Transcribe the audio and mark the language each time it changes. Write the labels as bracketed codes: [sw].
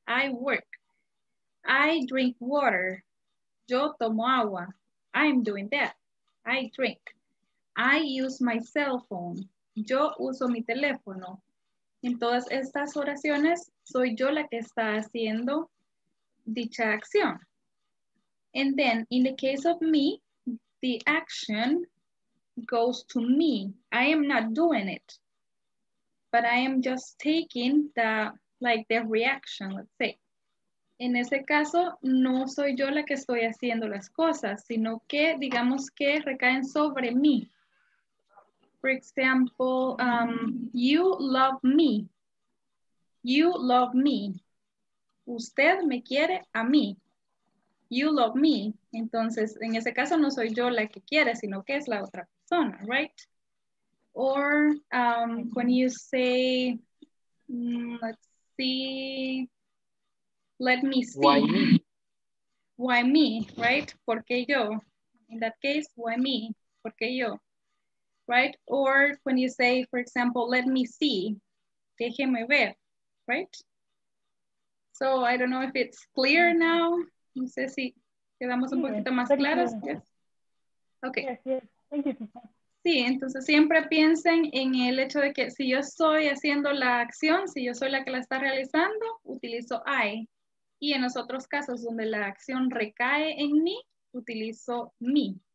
[en] I work. I drink water. [es] Yo tomo agua. [en] I'm doing that. I drink. I use my cell phone. [es] Yo uso mi teléfono. En todas estas oraciones, soy yo la que está haciendo dicha acción. [en] And then, in the case of me, the action goes to me. I am not doing it. But I am just taking the, like, the reaction, let's say. [es] En ese caso, no soy yo la que estoy haciendo las cosas, sino que, digamos que recaen sobre mí. [en] For example, you love me. You love me. [es] Usted me quiere a mí. [en] You love me. [es] Entonces, en ese caso, no soy yo la que quiere, sino que es la otra persona, right? [en] Or when you say, let's see, let me see. Why me? Why me, right? [es] ¿Por qué yo? [en] In that case, why me? ¿Por qué yo? right? Or when you say, for example, let me see, [es] déjeme ver, [en] right? So I don't know if it's clear now. [es] No sé si quedamos un poquito más claros. [en] Yes. Okay. Yes, thank you. [es] Sí, entonces siempre piensen en el hecho de que si yo estoy haciendo la acción, si yo soy la que la está realizando, utilizo I. Y en los otros casos donde la acción recae en mí, utilizo me.